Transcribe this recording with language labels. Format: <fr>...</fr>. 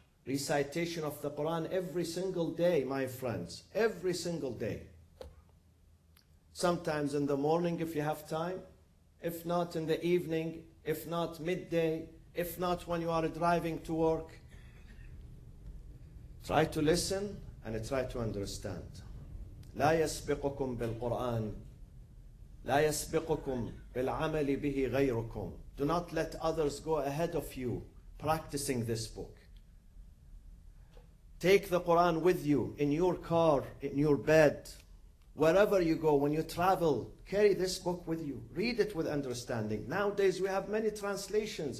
<en>Recitation of the Quran every single day, my friends, every single day. Sometimes in the morning if you have time, if not in the evening, if not midday, if not when you are driving to work. Try to listen and try to understand.</en> <ar>لا يسبقكم بالقرآن لا يسبقكم بالعمل به غيركم.</ar> <en>Do not let others go ahead of you practicing this book. Take the Quran with you in your car, in your bed. Wherever you go, when you travel, carry this book with you. Read it with understanding. Nowadays, we have many translations.</en>